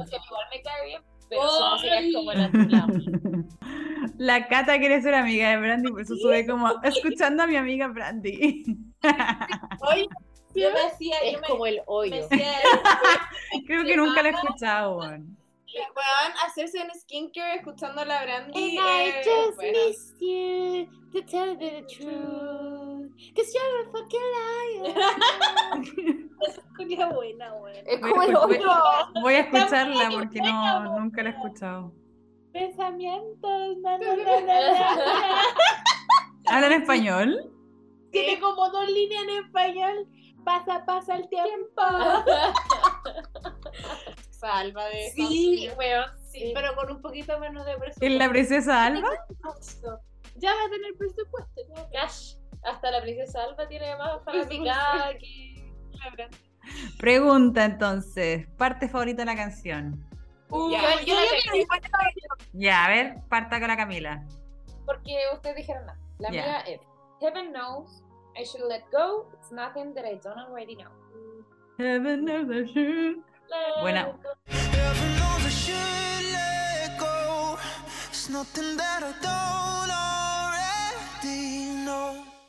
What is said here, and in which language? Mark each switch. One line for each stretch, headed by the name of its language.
Spanish: O sea, igual me cae bien. Pero oh, sí. Como la Cata quiere ser amiga de Brandy, por eso sube como escuchando a mi amiga Brandy. Hoy, yo me hacía es como el hoyo. Creo que nunca la he escuchado. Bueno, hacerse un skincare escuchando a la Brandy.
English: And I just miss you to tell the truth. Cause you're a fucking liar.
Spanish: Es buena, buena. Es como el otro. Voy a escucharla porque no, nunca la he escuchado. Pensamientos, na. ¿Habla en español? ¿Qué? Tiene como dos líneas en español. Pasa, pasa el tiempo. Salva de eso. Sí, weón. Sí, sí, pero con un poquito menos de presupuesto. ¿En la princesa Alba? Ya va a tener presupuesto.
English: Cash.
Spanish: Hasta la princesa Alba tiene más fanaticada que. Pregunta entonces, ¿parte favorita de la canción? Ya, a ver, parta con la Camila. Porque ustedes dijeron nada. La mía es
English: Heaven knows I should let go. It's nothing that I don't already know. Heaven knows I should let
Spanish: Buena.
English: Go. Heaven knows I should let go. It's nothing that I don't already know.